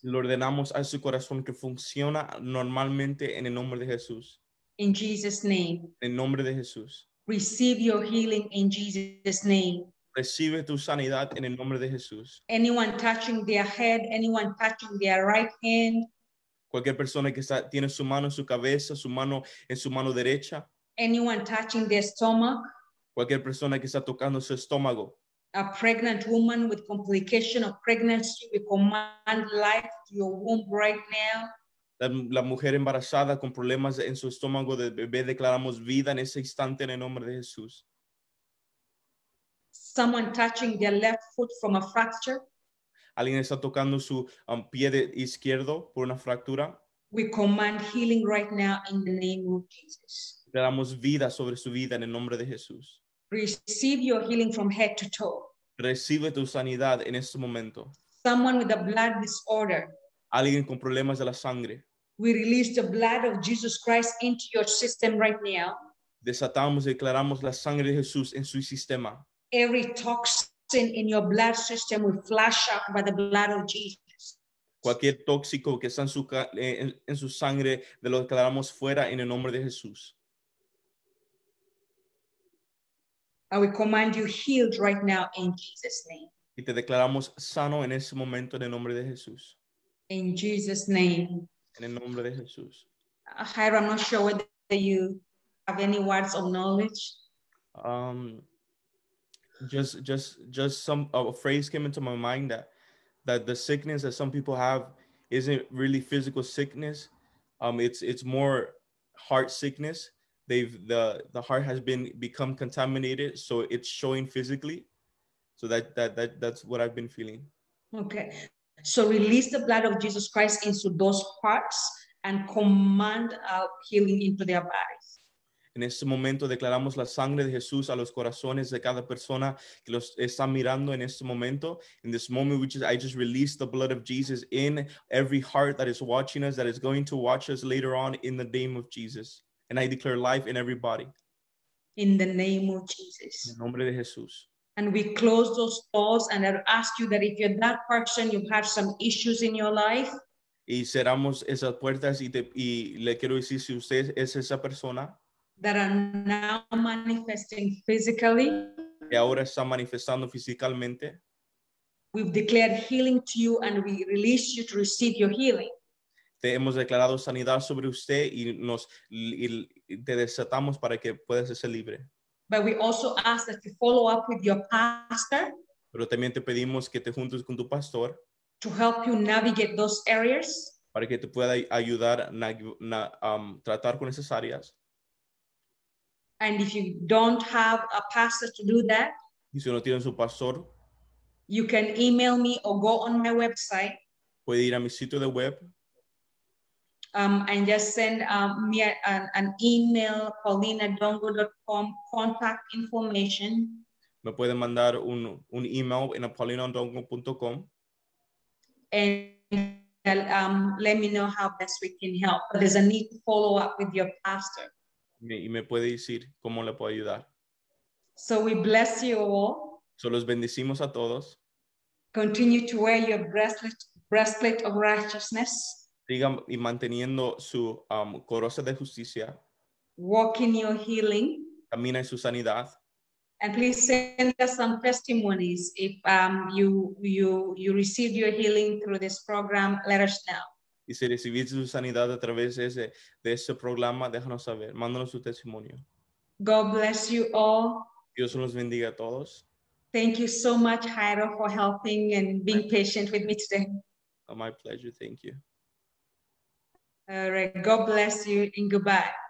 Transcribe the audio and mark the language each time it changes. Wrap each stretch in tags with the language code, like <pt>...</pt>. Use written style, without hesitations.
<es>Lo ordenamos a su corazón que funciona normalmente en el nombre de Jesús.</es> <en>In Jesus' name.</en> <es>En el nombre de Jesús.</es> <en>Receive your healing in Jesus' name.</en> <es>Recibe tu sanidad en el nombre de Jesús.</es> <en>Anyone touching their head, anyone touching their right hand.</en> <es>Cualquier persona que tiene su mano en su cabeza, su mano en su mano derecha.</es> <en>Anyone touching their stomach.</en> <es>Cualquier persona que está tocando su estómago.</es> <en>A pregnant woman with complication of pregnancy, we command life to your womb right now.</en> <es>La mujer embarazada con problemas en su estómago de bebé, declaramos vida en ese instante en el nombre de Jesús.</es> <en>Someone touching their left foot from a fracture.</en> <es>Alguien está tocando su pie de izquierdo por una fractura.</es> <en>We command healing right now in the name of Jesus.</en> <es>Declaramos vida sobre su vida en el nombre de Jesús.</es> <en>Receive your healing from head to toe.</en> <es>Recibe tu sanidad en este momento.</es> <en>Someone with a blood disorder.</en> <es>Alguien con problemas de la sangre.</es> <en>We release the blood of Jesus Christ into your system right now.</en> <es>Desatamos y declaramos la sangre de Jesús en su sistema.</es> <en>Every toxin in your blood system will flush out by the blood of Jesus.</en> <es>Cualquier tóxico que está en su sangre, lo declaramos fuera en el nombre de Jesús.</es> <en>And we command you healed right now in Jesus' name.</en> <es>Y te declaramos sano en ese momento en el nombre de Jesús.</es> <en>In Jesus' name.</en> <es>En el nombre de Jesús.</es> <en>Jairo, I'm not sure whether you have any words of knowledge. Just a phrase came into my mind that that the sickness that some people have isn't really physical sickness. It's more heart sickness. The heart has become contaminated, so it's showing physically. So that's what I've been feeling. Okay. So release the blood of Jesus Christ into those parts and command healing into their bodies.</en> <es>En este momento declaramos la sangre de Jesús a los corazones de cada persona que los está mirando en este momento.</es> <en>In this moment, I just release the blood of Jesus in every heart that is watching us, that is going to watch us later on in the name of Jesus. And I declare life in every body. In the name of Jesus.</en> <es>En el nombre de Jesús.</es> <en>And we close those doors and I ask you that if you're that person, you have some issues in your life.</en> <es>Y cerramos esas puertas y le quiero decir si usted es esa persona.</es> <en>That are now manifesting physically.</en> <es>Que ahora está manifestando físicamente.</es> <en>We've declared healing to you and we release you to receive your healing.</en> <es>Te hemos declarado sanidad sobre usted y te desatamos para que puedas ser libre.</es> <en>But we also ask that you follow up with your pastor.</en> <es>Pero también te pedimos que te juntes con tu pastor.</es> <en>To help you navigate those areas.</en> <es>Para que te pueda ayudar tratar con esas áreas.</es> <en>And if you don't have a pastor to do that,</en> <es>y si no tienes un pastor,</es> <en>you can email me or go on my website.</en> <es>Puede ir a mi sitio de web.</es> <en>And just send me an email, paulinadongo.com, contact information.</en> <es>Me pueden mandar un email en paulinadongo.com.</es> <en>And let me know how best we can help. But there's a need to follow up with your pastor.</en> <es>Y me puede decir cómo le puedo ayudar.</es> <en>So we bless you all.</en> <es>So los bendecimos a todos.</es> <en>Continue to wear your breastplate of righteousness.</en> <es>Siga y manteniendo su coraza de justicia.</es> <en>Walk in your healing.</en> <es>Camina en su sanidad.</es> <en>And please send us some testimonies if you received your healing through this program. Let us know.</en> <es>Y si recibiste su sanidad a través de ese programa, déjanos saber. Mándanos su testimonio.</es> <en>God bless you all.</en> <es>Dios los bendiga a todos.</es> <en>Thank you so much, Jairo, for helping and being patient with me today. Oh, my pleasure. Thank you. All right. God bless you and goodbye.</en>